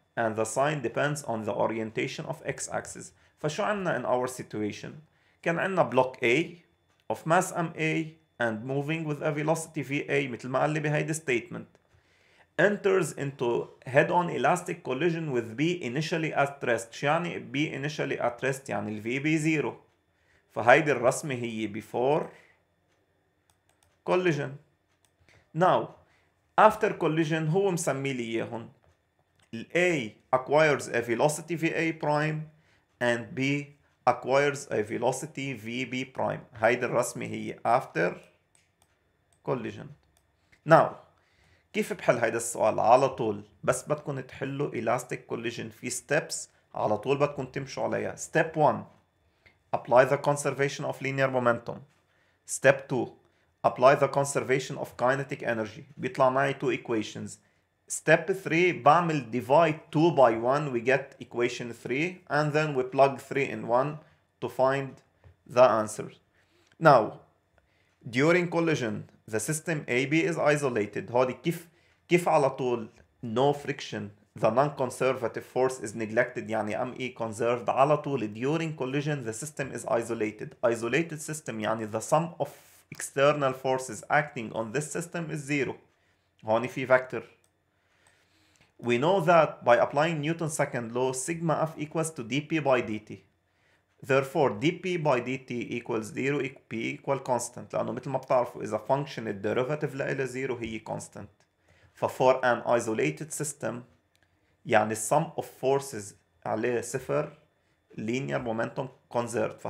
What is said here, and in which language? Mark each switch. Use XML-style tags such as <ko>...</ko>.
<en>And the sign depends on the orientation of x-axis.</en> <ar>فشو عنا</ar> <en>in our situation?</en> <ar>كان عنا</ar> <en>block A of mass MA and moving with a velocity VA</en> <ar>مثل ما قال لي بهيدا</ar> <en>statement. Enters into head-on elastic collision with B initially at rest.</en> <ar>شو يعني</ar> <en>B initially at rest؟ يعني ال VB zero.</en> <ar>فهيدي الرسمة هي before collision.</ar> <en>Now, after collision,</en> <ar>هو مسمي لي اياهن.</ar> <en>A acquires a velocity VA prime and B acquires a velocity VB prime.</en> <ar>هيدي الرسمة هي after collision. Now, كيف بحل هيدا السؤال على طول بس بدكن تحلوا elastic collision في steps على طول بدكن تمشوا عليها.</ar> <en>Step 1. Apply the conservation of linear momentum. Step 2. Apply the conservation of kinetic energy.</en> <ar>بيطلع معي 2 equations.</ar> <en>Step 3. بعمل divide 2 by 1. We get equation 3. And then we plug 3 in 1 to find the answer. Now, during collision, the system AB is isolated.</en> <ar>هودي كيف على طول</ar> <en>no friction, the non-conservative force is neglected, يعني ME conserved على طول. During collision, the system is isolated.</en> <ar>Isolated system يعني</ar> <en>the sum of external forces acting on this system is zero.</en> <ar>هوني في vector.</ar> <en>We know that by applying Newton's second law, sigma F equals to dP by dt. Therefore, dP by dt equals 0, P equal constant.</en> <ar>لأنه مثل ما بتعرفوا, إذا function الderivative لإلى 0 هي constant.</ar> <en>For an isolated system, يعني sum of forces عليه 0, linear momentum conserved.</en>